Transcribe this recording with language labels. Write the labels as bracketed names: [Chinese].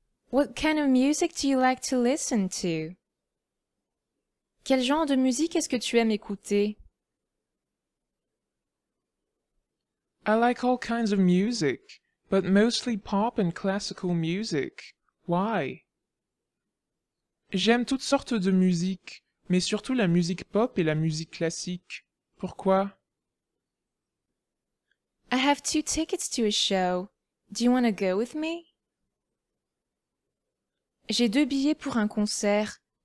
[English] What kind of music do you like to listen to? [French] Quel genre de musique est-ce que tu aimes écouter? [English] I like all kinds of music, but mostly pop and classical music. Why? [French] J'aime toutes sortes de musique, mais surtout la musique pop et la musique classique. Pourquoi? [English] I have 2 tickets to a show. Do you want to go with me? [French] J'ai 2 billets pour un concert.